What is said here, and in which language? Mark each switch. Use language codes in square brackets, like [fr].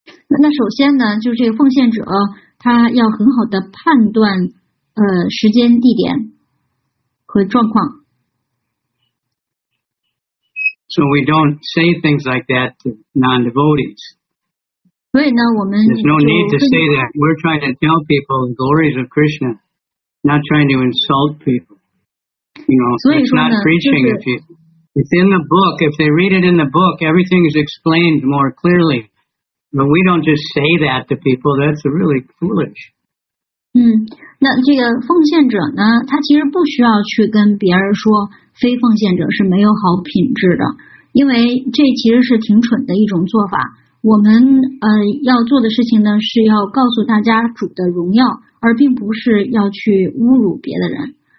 [zh] 那首先呢，就是这个奉献者他要很好的判断时间地点和状况。 [en] So we don't say things like that to non-devotees. [zh] 所以呢我们 [en] There's no need to say that. We're trying to tell people the glories of Krishna, not trying to insult people. You know, it's not preaching. It's in the book. If they read it in the book, everything is explained more clearly. But we don't just say that to people. That's really foolish. [zh] 嗯，那这个奉献者呢，他其实不需要去跟别人说非奉献者是没有好品质的，因为这其实是挺蠢的一种做法。我们要做的事情呢，是要告诉大家主的荣耀，而并不是要去侮辱别的人。